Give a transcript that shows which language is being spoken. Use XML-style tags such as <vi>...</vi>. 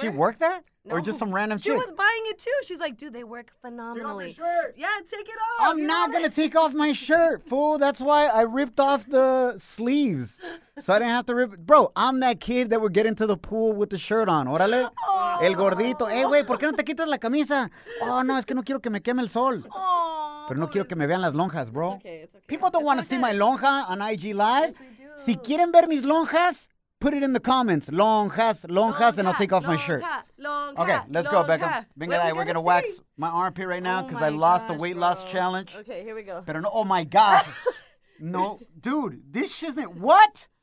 <en>She work there? No. Or just some random chick? was buying it too. She's like, dude, they work phenomenally. Take off your shirt. Yeah, take it off. I'm not going to take off my shirt, fool. That's why I ripped off the sleeves. So I didn't have to rip it. Bro, I'm that kid that would get into the pool with the shirt on.</en> <es>Órale.</es> <en>Oh.</en> <es>El gordito. Hey, güey, ¿por qué no te quitas la camisa? Oh, no, es que no quiero que me queme el sol.</es> <en>Oh.</en> <es>Pero no quiero que me vean las lonjas, bro.</es> <en>It's okay. People don't want to see my lonja on IG Live. Yes, we do.</en> <es>Si quieren ver mis lonjas,</es> <en>put it in the comments. Lonjas, and I'll take off my shirt.</en> <es>Lonja.</es> <en>Okay, let's</en> <es>lonja.</es> <en>Go, Becca. Venga, we're going to wax my armpit right now because I lost the weight loss challenge. Okay, here we go.</en> <es>Pero no,</es> <en>oh my God. No, dude, this isn't, what?</en>